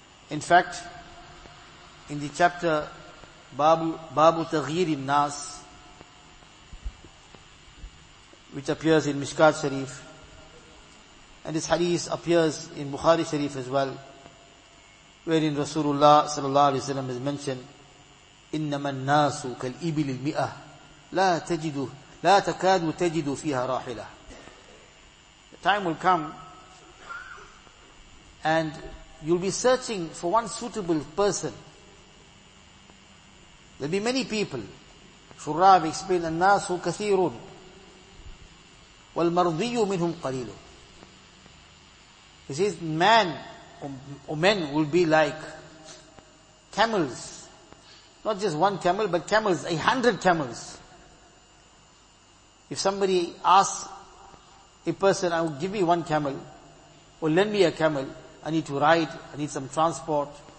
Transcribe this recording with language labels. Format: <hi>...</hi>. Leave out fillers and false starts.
<en>In fact, in the chapter Babu Taghir in Nas, which appears in Mishkat Sharif, and this hadith appears in Bukhari Sharif as well, wherein Rasulullah sallallahu alaihi wasallam has mentioned,</en> <ar>إِنَّمَا النَّاسُ كَالْإِبِلِ الْمِئَةِ لَا تَكَادُ تَجِدُ فِيهَا رَاحِلَةِ.</ar> <en>The time will come and you'll be searching for one suitable person. There'll be many people. Shurrab explained,</en> <ar>النَّاسُ كَثِيرٌ وَالْمَرْضِيُّ مِنْهُمْ قَلِيلٌ.</ar> <en>He says, man or men will be like camels. Not just one camel, but camels, 100 camels. If somebody asks a person, I will give me one camel, or lend me a camel, I need to ride, I need some transport.</en>